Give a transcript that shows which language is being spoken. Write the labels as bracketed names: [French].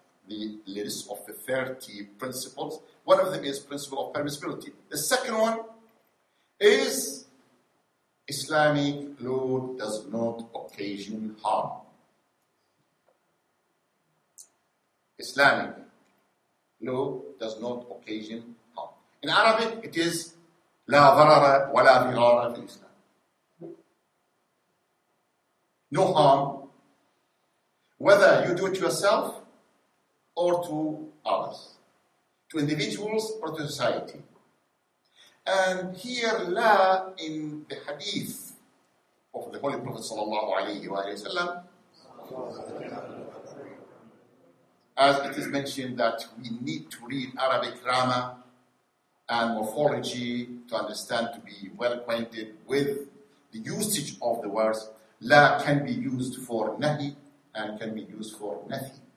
[English] The list of the 30 principles. One of them is principle of permissibility. The second one is Islamic law does not occasion harm. Islamic law does not occasion harm. In Arabic, it is [Arabic] لا ضرر ولا ضرار في الإسلام. [English] No harm, whether you do it yourself or to others, to individuals or to society. And here, la in the hadith of the Holy Prophet sallallahu alayhi wa sallam, as it is mentioned that we need to read Arabic grammar and morphology to understand, to be well acquainted with the usage of the words, la can be used for nahi and can be used for nahi.